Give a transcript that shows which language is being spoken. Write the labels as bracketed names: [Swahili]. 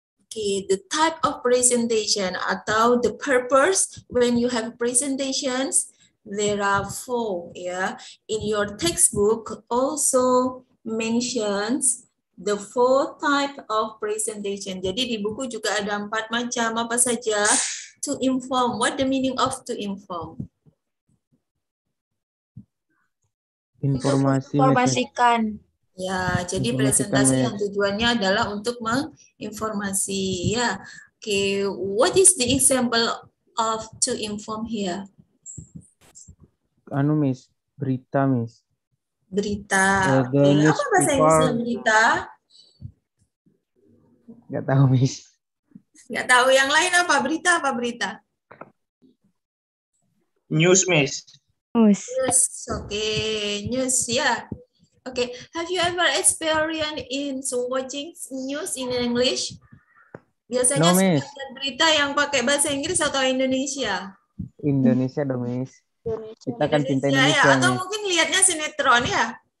[English] Okay, the type of presentation atau the purpose when you have presentations, there are four. Yeah, in your textbook also mentions the four type of presentation. [Indonesian] Jadi di buku juga ada empat macam apa saja. [English] To inform, what the meaning of to inform? [Indonesian] Informasikan. Ya, jadi presentasi yang tujuannya adalah untuk menginformasi. Ya, okay. [English] What is the example of to inform here? [Indonesian] Anu, Miss. Berita, Miss. Berita. Okay. Apa bahasa Inggrisnya berita? Gak tahu, Miss. Gak tahu. Yang lain apa? Berita apa berita? [English] News, Miss. News. Okay. News, ya. Yeah. Okay, have you ever experienced in watching news in English? [Indonesian] Biasanya suka lihat berita yang pakai bahasa Inggris atau Indonesia? Indonesia dong, Miss. Kita kan cinta Indonesia. Ya. Atau mungkin lihatnya sinetron ya?